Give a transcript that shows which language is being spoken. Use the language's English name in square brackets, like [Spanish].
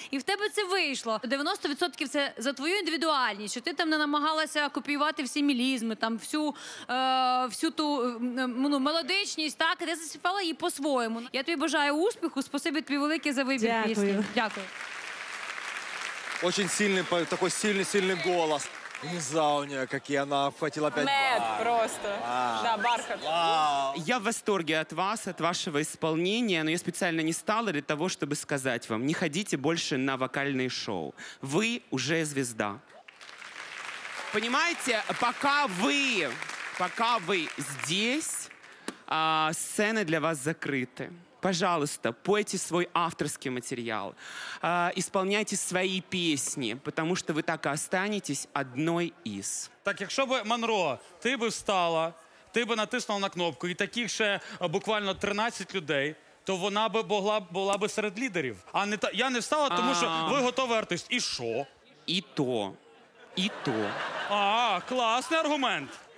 [Ukrainian] І в тебе це вийшло. 90% це за твою індивідуальність, що ти там не намагалася копіювати всі мілізми, там всю, всю ту мелодичність, так, і ти заспівала її по-своєму. Я тобі бажаю успіху, спасибі тобі велике за вибір пісні. Дякую. Дякую. Очень сильний, такой сильний-сильний голос. І за у нього, як я хотіла п'ять бар. Мед просто. Да, бархат. [Russian] Я в восторге от вас, от вашого исполнения, но я спеціально не стала для того, чтобы сказать вам, не ходите больше на вокальные шоу. Вы уже звезда. Понимаете, пока вы здесь, сцены для вас закрыты. Пожалуйста, пойте свой авторский материал, исполняйте свои песни, потому что вы так и останетесь одной из. [Ukrainian] Так, якщо б, Монро, ти б встала, ти б натиснула на кнопку, і таких ще буквально 13 людей, то вона б була б серед лідерів. А не та, я не встала, тому що ви готовий артист. І що? І то. А, класний аргумент.